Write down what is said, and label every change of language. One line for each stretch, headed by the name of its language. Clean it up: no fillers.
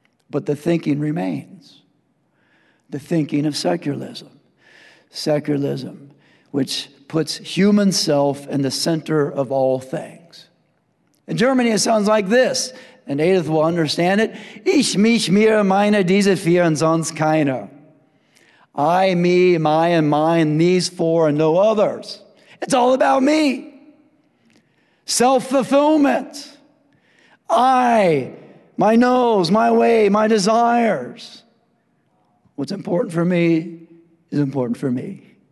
English: But the thinking remains. The thinking of secularism. Secularism, which puts human self in the center of all things. In Germany, it sounds like this, and Edith will understand it.
German: Ich, mich, mir, meine, diese vier und sonst keiner.
English: I, me, my, and mine, these four and no others. It's all about me. Self-fulfillment. I, my nose, my way, my desires. What's important for me is important for me.